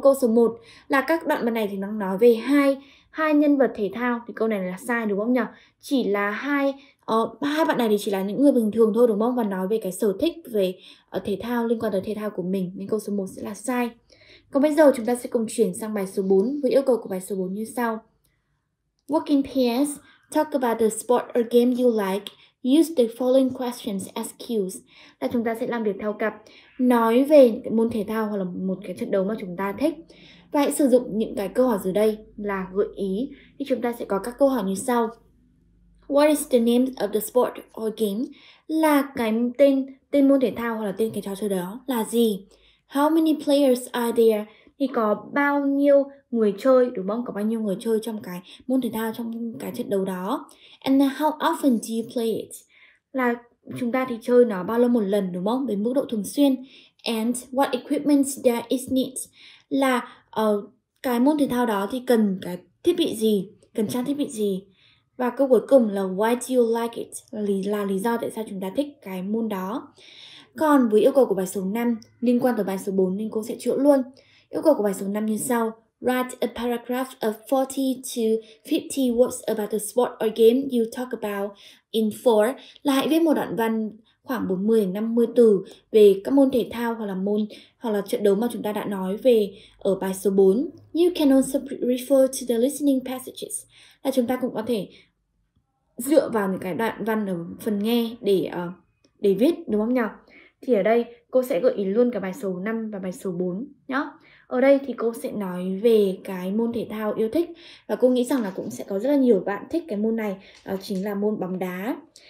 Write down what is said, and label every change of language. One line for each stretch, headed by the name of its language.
Vietnamese: Câu số 1 là các đoạn văn này thì nó nói về hai nhân vật thể thao. Thì câu này là sai đúng không nhỉ? Chỉ là hai bạn này thì chỉ là những người bình thường thôi đúng không? Và nói về cái sở thích về thể thao, liên quan tới thể thao của mình. Nên câu số 1 sẽ là sai. Còn bây giờ chúng ta sẽ cùng chuyển sang bài số 4 với yêu cầu của bài số 4 như sau.
English: Working pairs, talk about the sport or game you like. Use the following questions as cues.
Vietnamese: Là chúng ta sẽ làm việc theo cặp, nói về môn thể thao hoặc là một cái trận đấu mà chúng ta thích. Và hãy sử dụng những cái câu hỏi dưới đây là gợi ý. Thì chúng ta sẽ có các câu hỏi như sau.
English: What is the name of the sport or game?
Vietnamese: Là cái tên môn thể thao hoặc là tên cái trò chơi đó là gì?
English: How many players are there?
Vietnamese: Thì có bao nhiêu người chơi, đúng không? Có bao nhiêu người chơi trong cái môn thể thao, trong cái trận đấu đó.
English: And how often do you play it?
Vietnamese: Là chúng ta thì chơi nó bao lâu một lần, đúng không? Với mức độ thường xuyên.
English: And what equipment there is need?
Vietnamese: Là cái môn thể thao đó thì cần cái thiết bị gì, cần trang thiết bị gì. Và câu cuối cùng là
English: why do you like it?
Vietnamese: Là lý do tại sao chúng ta thích cái môn đó. Còn với yêu cầu của bài số 5, liên quan tới bài số 4 nên cô sẽ chữa luôn. Yêu cầu của bài số 5 như sau.
English: Write a paragraph of 40 to 50 words about the sport or game you talk about in 4.
Vietnamese: Là hãy viết một đoạn văn khoảng 40-50 từ về các môn thể thao hoặc là môn hoặc là trận đấu mà chúng ta đã nói về ở bài số 4.
English: You can also refer to the listening passages.
Vietnamese: Là chúng ta cũng có thể dựa vào những cái đoạn văn ở phần nghe để viết, đúng không nhỉ? Thì ở đây cô sẽ gợi ý luôn cả bài số 5 và bài số 4 nhá. Ở đây thì cô sẽ nói về cái môn thể thao yêu thích. Và cô nghĩ rằng là cũng sẽ có rất là nhiều bạn thích cái môn này, đó chính là môn bóng đá.